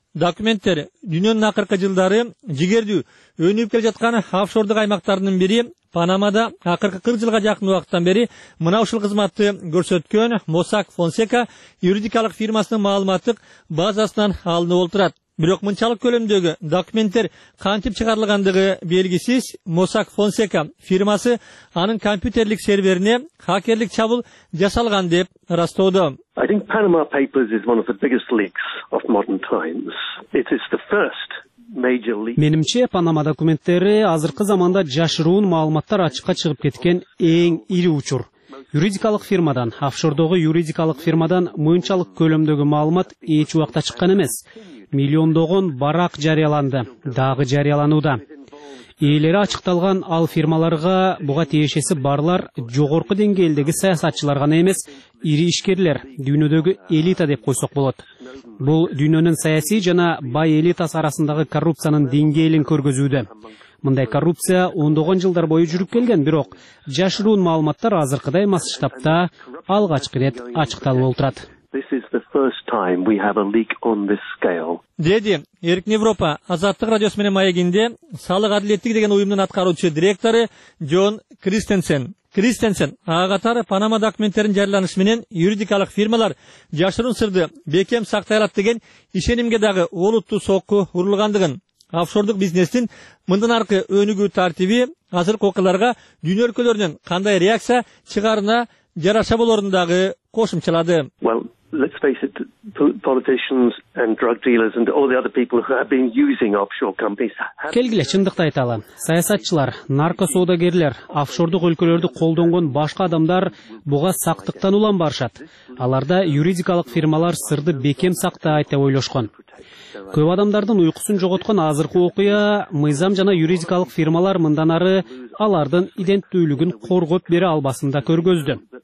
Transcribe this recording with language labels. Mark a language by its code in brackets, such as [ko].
[ky] Документтер дүйнөнүн акыркы жылдары жигердүү өнүп келе жаткан офшордук аймактарынын бири Панамада акыркы 40 жылга жакын убакыттан бери мына ушул кызматты көрсөткөн Mossack Fonseca юридикалык фирмасынын маалыматтык базасынан алынып отурат. Бирок мынчалык көлөмдөгү документтер кантип чыгарылгандыгы белгисиз. Mossack Fonseca фирмасы анын компьютерлик серверине хакерлик чабуул жасалган деп ырастоодо. [en] I think Panama Papers is one of the biggest leaks of modern times. It is the first major leak. [ky] Менимче, Панама документтери азыркы заманда жашыруун маалыматтар ачыкка чыгып кеткен эң ири учур. Юридикалык фирмадан, офшордогу юридикалык фирмадан мынчалык көлөмдөгү маалымат эч убакта чыккан эмес. Миллиондогон барак жарыяланды, дагы жарыялануда. Ээлери ачыкталган ал фирмаларга буга тиешеси барлар жогорку деңгээлдеги саясатчылар гана эмес, ири ишкерлер, дүйнөдөгү элита деп койсок болот. Бул дүйнөнүн саясий жана бай элитасы арасындагы коррупциянын деңгээлин көргөзүүдө. Мындай коррупция ондогон жылдар бою жүрүп келген, бирок жашыруун маалыматтар азыркыдай масштабта алгачкы ирет ачыкталып отурат. [en] This is the first time we have a leak on this scale. [ky] Деди Эркин Европа Азаттык радиосу менен маегинде салык адилеттиги деген уюмдун аткаруучу директору Джон Кристенсен. Кристенсен ага катары Панама документтерин жарыяланышы менен юридикалык фирмалар жашыруун сырды бекем сактай алат деген ишенимге дагы олуттуу сокку урулгандыгын, офшордук бизнестин мындан аркы өнүгүү тартиби азыркы окуяларга дүйнө өлкөлөрүнөн кандай реакция чыгарына жараша болорун дагы кошумчалады. [en] Well, let's face it, politicians and drug dealers and all the other people who have been using offshore companies. [ky] Келгиле чындыкты айталы. Саясатчылар, наркосоодагерлер, офшордук өлкөлөрдү колдонгон башка адамдар буга сактыктан улам барышат. Аларда юридикалык фирмалар сырды бекем сактайт деп ойлошкон. Көп адамдардын уйкусун жоготкон азыркы окуя мыйзам жана юридикалык фирмалар мындан ары алардын иденттүүлүгүн коргоп бере албасында көргөздү.